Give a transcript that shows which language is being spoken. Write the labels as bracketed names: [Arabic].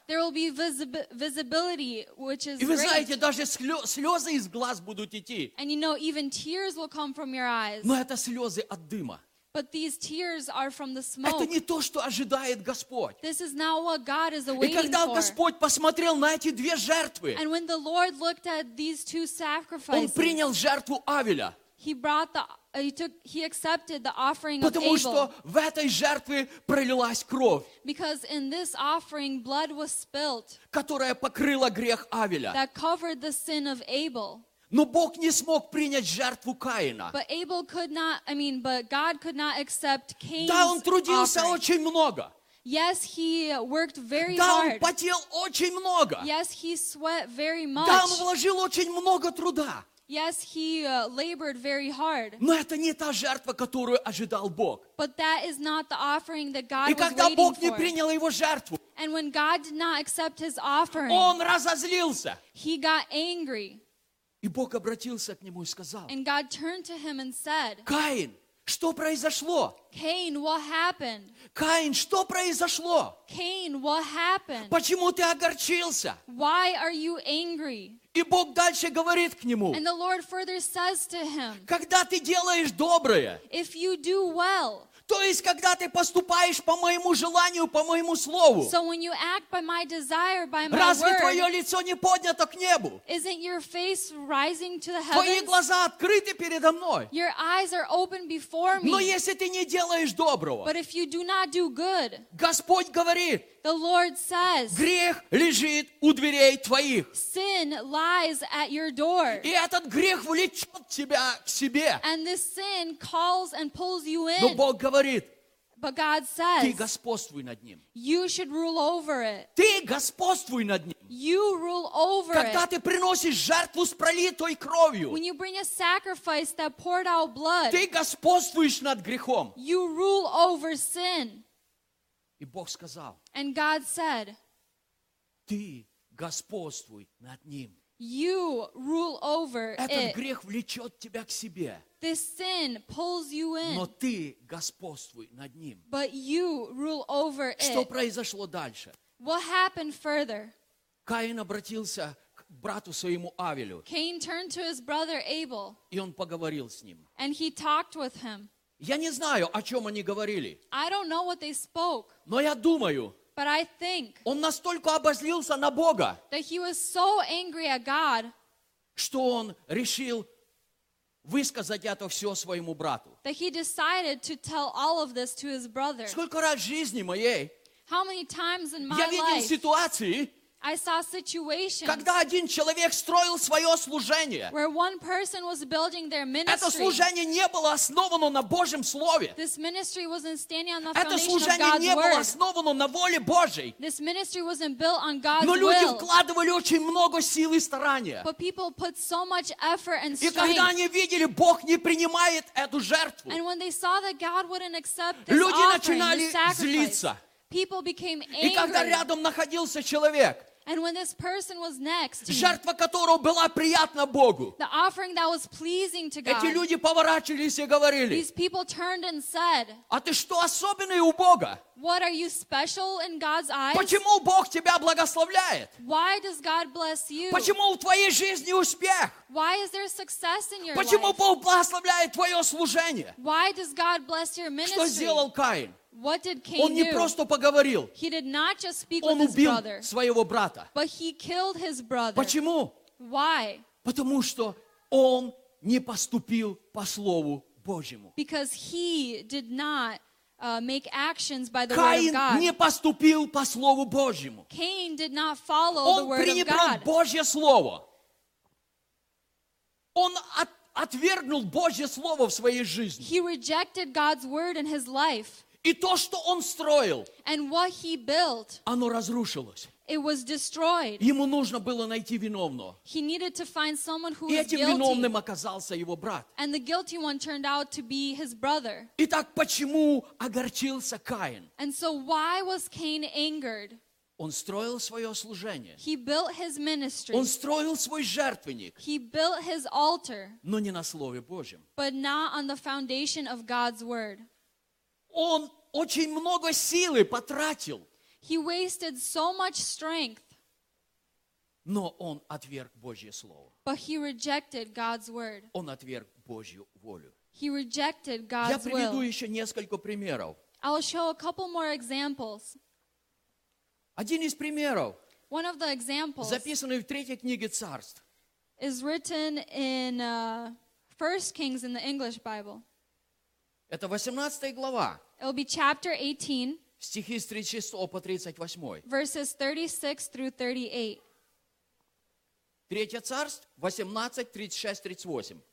[English] There will be visibility, which is [Russian] И вы знаете, [English] great. [Russian] Даже слезы из глаз будут идти. [English] And you know, even tears will come from your eyes. [Russian] Но это слезы от дыма. [English] But these tears are from the smoke. [Russian] Это не то, что ожидает Господь. [English] This is not what God is awaiting [Russian] И когда [English] for. [Russian] Господь посмотрел на эти две жертвы, [English] And when the Lord looked at these two sacrifices, [Russian] Он принял жертву Авеля. [English] He brought the He accepted the offering of Abel. [Russian] Потому что в этой жертве пролилась кровь. [English] Because in this offering blood was spilled. [Russian] Которая покрыла грех Авеля. [English] That covered the sin of Abel. [Russian] Но Бог не смог принять жертву Каина. [English] But Abel could not, I mean, but God could not accept Cain's [Russian] Да, он трудился [English] offering. [Russian] Очень много. [English] Yes, he worked very [Russian] да, [English] hard. [Russian] Да, он потел очень много. [English] Yes, he sweat very much. [Russian] Да, он вложил очень много труда. [English] Yes, he labored very hard. [Russian] Но это не та жертва, которую ожидал Бог. [English] But that is not the offering that God [Russian] И [English] was [Russian] когда [English] waiting [Russian] Бог [English] for. [Russian] Не принял его жертву, [English] And when God did not accept his offering, [Russian] он разозлился. [English] He got angry. [Russian] И Бог обратился к нему и сказал, [English] And God turned to him and said, [Russian] Каин, Что произошло? [English] Cain, what happened? [Russian] Каин, что произошло? [English] Cain, what happened? [Russian] Почему ты огорчился? [English] Why are you angry? [Russian] И Бог дальше говорит к нему. [English] And the Lord further says to him. [Russian] Когда ты делаешь доброе? [English] If you do well. [Russian] То есть, когда ты поступаешь по моему желанию, по моему слову. [English] So when you act by my desire, by my [Russian] разве [English] word, [Russian] твое лицо не поднято к небу? [English] Isn't your face rising to the heavens? [Russian] Твои глаза открыты передо мной. [English] Your eyes are open before me. [Russian] Но если ты не делаешь доброго, [English] but if you do not do good, [Russian] Господь говорит, [English] the Lord says, [Russian] грех лежит у дверей твоих. [English] Sin lies at your door. [Russian] И этот грех влечет тебя к себе. [English] And this sin calls and pulls you in. [Russian] Но Бог говорит, [English] but God says, [Russian] ты господствуй над ним. [English] You should rule over it. [Russian] Ты господствуй над ним. [English] You rule over [Russian] когда [English] it. [Russian] Ты приносишь жертву с пролитой кровью. [English] When you bring a sacrifice that poured out blood. [Russian] Ты господствуешь над грехом. [English] You rule over sin. [Russian] И Бог сказал, [English] and God said, [Russian] ты господствуй над ним. [English] You rule over [Russian] этот [English] it. [Russian] Грех влечет тебя к себе. [English] This sin pulls you in. [Russian] Но ты господствуй над ним. [English] But you rule over [Russian] что [English] it. [Russian] Что произошло дальше? [English] What happened further? [Russian] Каин обратился к брату своему Авелю. [English] Cain turned to his brother Abel. [Russian] И он поговорил с ним. [English] And he talked with him. [Russian] Я не знаю, о чем они говорили. [English] I don't know what they spoke, [Russian] но я думаю, [English] but I think, [Russian] он настолько обозлился на Бога, [English] that he was so angry at God, [Russian] что он решил высказать это все своему брату. [English] That he decided to tell all of this to his brother. [Russian] Сколько раз в жизни моей [English] how many times in my [Russian] я видел [English] life, [Russian] ситуации, [English] I saw situations [Russian] когда один человек строил свое служение, [English] where one person was building their ministry. [Russian] Это служение не было основано на Божьем слове. [English] This ministry wasn't standing on the foundation of God's word. [Russian] Это служение не было основано на воле Божьей. [English] This ministry wasn't built on God's will. [Russian] Но люди вкладывали очень много сил и старания. [English] But people put so much effort and strength. [Russian] И когда они видели, Бог не принимает эту жертву, [English] and when they saw that God wouldn't accept this [Russian] люди [English] offering, [Russian] начинали [English] this sacrifice, [Russian] злиться. [English] People became angry. [Russian] И когда рядом находился человек, [English] and when this person was next to me, [Russian] жертва которого была приятна Богу, [English] the offering that was pleasing to God, [Russian] эти люди поворачивались и говорили, [English] these people turned and said, [Russian] а ты что особенный у Бога? [English] What are you special in God's eyes? [Russian] Почему Бог тебя благословляет? [English] Why does God bless you? [Russian] Почему в твоей жизни успех? [English] Why is there success in your [Russian] почему [English] life? [Russian] Почему Бог благословляет твое служение? [English] Why does God bless your ministry? [Russian] Что сделал Каин? [English] What did Cain [Russian] он не [English] do? [Russian] Просто поговорил. [English] He did not just speak [Russian] он [English] with his brother. [Russian] Он убил своего брата. [English] But he killed his brother. [Russian] Почему? [English] Why? [Russian] Потому что он не поступил по слову Божьему. [English] Because he did not make actions by the [Russian] Каин [English] word of God. [Russian] Каин не поступил по слову Божьему. [English] Cain did not follow [Russian] он [English] the word of God. [Russian] Он пренебрег Божье слово. Он отвергнул Божье слово в своей жизни. [English] He rejected God's word in his life. [Russian] И то, что он строил, [English] and what he built, [Russian] оно разрушилось. [English] It was destroyed. [Russian] Ему нужно было найти виновного. [English] He needed to find someone who [Russian] и [English] was [Russian] этим [English] guilty. [Russian] Виновным оказался его брат. [English] And the guilty one turned out to be his brother. [Russian] Итак, почему огорчился Каин? [English] And so why was Cain angered? [Russian] Он строил свое служение. [English] He built his ministry. [Russian] Он строил свой жертвенник. [English] He built his altar. [Russian] Но не на Слове Божьем. [English] But not on the foundation of God's word. [Russian] Он очень много силы потратил. [English] He wasted so much strength. [Russian] Но он отверг Божье слово. [English] But he rejected God's word. [Russian] Он отверг Божью волю. [English] He rejected God's will. [Russian] Я приведу [English] will. [Russian] Еще несколько примеров. [English] I'll show a couple more examples. [Russian] Один из примеров. [English] One of the examples. [Russian] Записанный в третьей книге царств. [English] Is written in 1 Kings in the English Bible. [Russian] Это 18 глава. [English] It'll be chapter 18. [Russian] Стихи с 36 по 38. [English] Verses 36 through 38. [Russian] Третье царство, 18, 36, 38.